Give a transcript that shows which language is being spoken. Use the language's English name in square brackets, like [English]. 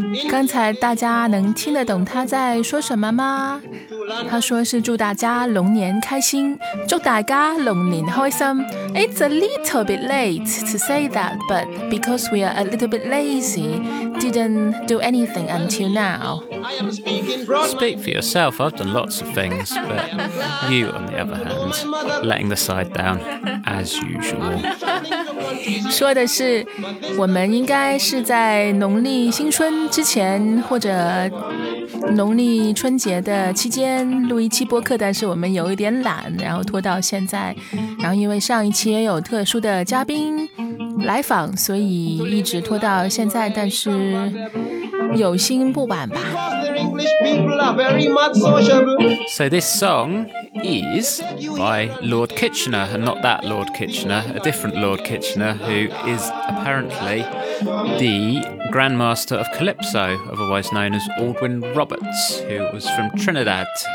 [Chinese] 刚才大家能听得懂他在说什么吗？他说是祝大家龙年开心，祝大家龙年开心。 [English] It's a little bit late to say that, but because we are a little bit lazy, didn't do anything until now. Speak for yourself, I've done lots of things, but you, on the other hand, letting the side down, as usual. [Chinese] 说的是，我们应该是在农历新春之前，或者农历春节的期间录一期播客，但是我们有一点懒，然后拖到现在，然后因为上一期也有特殊的嘉宾来访，所以一直拖到现在，但是有心不晚吧。 [English] So this song is by Lord Kitchener, and not that Lord Kitchener, a different Lord Kitchener, who is apparently the grandmaster of Calypso, otherwise known as Aldwyn Roberts, who was from Trinidad.